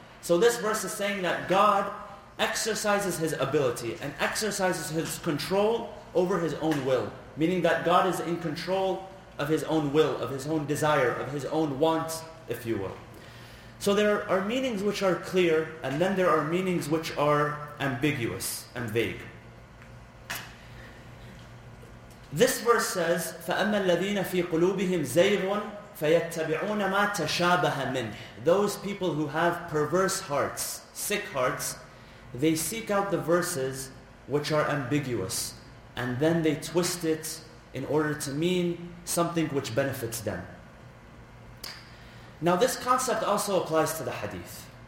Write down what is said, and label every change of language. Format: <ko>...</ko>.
<en>So this verse is saying that God exercises His ability and exercises His control over His own will, meaning that God is in control of His own will, of His own desire, of His own wants, if you will. So there are meanings which are clear, and then there are meanings which are ambiguous and vague. This verse says,</en> <ar>فَأَمَّا الَّذِينَ فِي قُلُوبِهِمْ زَيْغٌ فَيَتَّبِعُونَ مَا تَشَابَهَ مِنْهِ.</ar> <en>Those people who have perverse hearts, sick hearts, they seek out the verses which are ambiguous, and then they twist it in order to mean something which benefits them. Now this concept also applies to the hadith.</en>